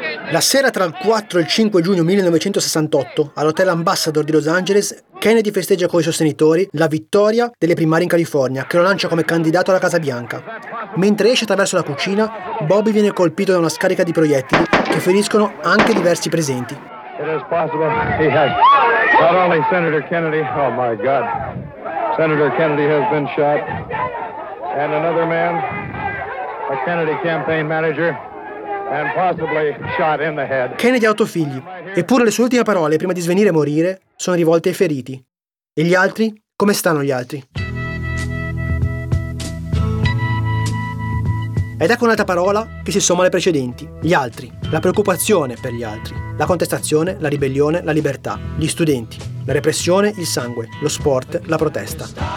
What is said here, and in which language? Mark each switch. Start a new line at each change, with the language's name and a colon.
Italian: La sera tra il 4 e il 5 giugno 1968, all'Hotel Ambassador di Los Angeles, Kennedy festeggia con i sostenitori la vittoria delle primarie in California, che lo lancia come candidato alla Casa Bianca. Mentre esce attraverso la cucina, Bobby viene colpito da una scarica di proiettili che feriscono anche diversi presenti.
English: It is possible he has not only Senator Kennedy, oh my God, Senator Kennedy has been shot, and another man, a Kennedy campaign manager, and possibly shot in the head.
Italian: Kennedy ha 8 figli, eppure le sue ultime parole prima di svenire e morire sono rivolte ai feriti. E gli altri? Come stanno gli altri? Ed ecco un'altra parola che si somma alle precedenti: gli altri, la preoccupazione per gli altri, la contestazione, la ribellione, la libertà, gli studenti, la repressione, il sangue, lo sport, la protesta.